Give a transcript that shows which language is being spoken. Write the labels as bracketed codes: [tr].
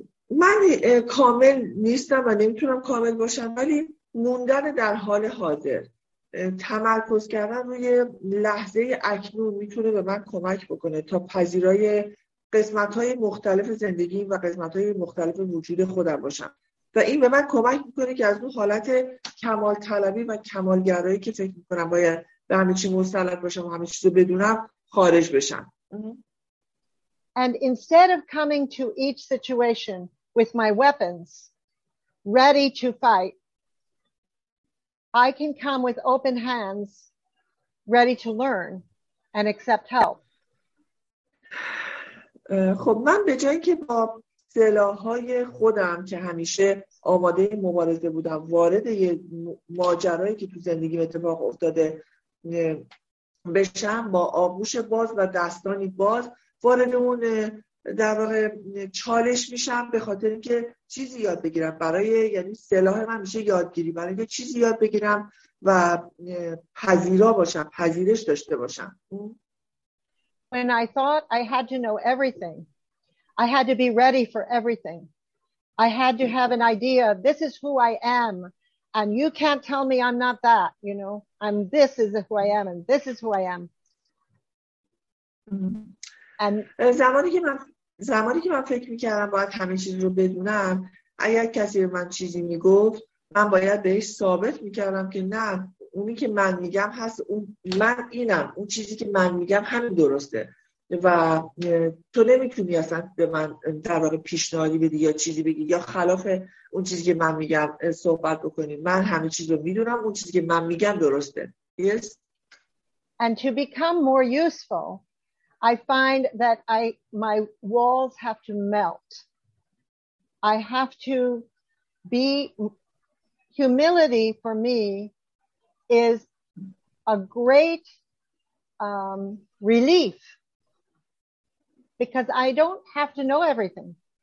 [fa] من کامل نیستم و نمیتونم کامل باشم، ولی موندن در حال حاضر، تمرکز کردن روی لحظه اکنون میتونه به من کمک بکنه تا پذیرای قسمت‌های مختلف زندگی و قسمت‌های مختلف وجود خودم باشم، و این به من کمک میکنه که از اون حالت کمال طلبی و کمالگرایی که فکر میکنم باید به همه چی مسلط باشم و همه چیزو بدونم خارج بشم. [en] And instead of coming to each situation with my weapons ready to fight, I can come with open hands ready to learn and accept help. [fa] خب من به جای اینکه با سلاح‌های خودم که همیشه آماده مبارزه بودم وارد یه ماجرایی که تو زندگی اتفاق افتاده بشم، با آغوش باز و دستانی باز وارد اون در واقع چالش میشم، به خاطر اینکه چیزی یاد بگیرم برای، یعنی سلاح من میشه یادگیری، برای اینکه چیزی یاد بگیرم و پذیرا باشم، پذیرش داشته باشم. [en] When I thought I had to know everything, I had to be ready for everything. I had to have an idea, this is who I am, and you can't tell me I'm not that, you know. This is who I am, and this is who I am. [fa] And زمانی که من فکر میکردم باید همه چیز رو بدونم، اگر کسی به من چیزی میگفت، من باید بهش ثابت میکردم که نه، اونی که من میگم هست، اون من اینم، اون چیزی که من میگم همین درسته و تو نمیتونی اصلا به من در واقع پیشنهادی بدی یا چیزی بگی یا خلاف اون چیزی که من میگم صحبت بکنی. من همه چیز رو میدونم، اون چیزی که من میگم درسته. [en] Yes. And to become more useful, I find that my walls have to melt. I have to be humility for me is a great relief because I don't have to know everything.